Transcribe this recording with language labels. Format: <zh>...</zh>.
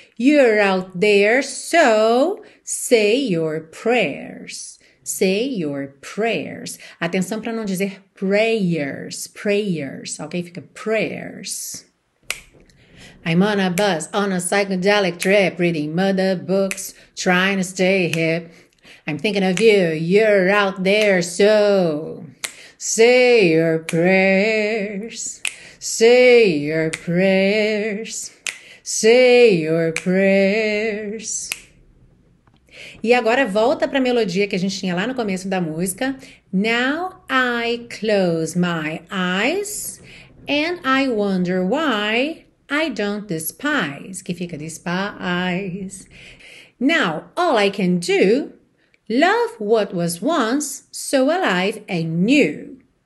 <en>You're out there, so say your prayers. Say your prayers.</en> <pt>Atenção para não dizer prayers. Prayers, ok? Fica prayers.</pt> <en>I'm on a bus on a psychedelic trip, reading murder books, trying to stay hip. I'm thinking of you, you're out there, so say your prayers, say your prayers, say your prayers.</en> <pt>E agora volta para a melodia que a gente tinha lá no começo da música.</pt> <en>Now I close my eyes and I wonder why. I don't despise,</en> <pt>que fica</pt> <en>despise. Now all I can do, love what was once so alive and new.</en>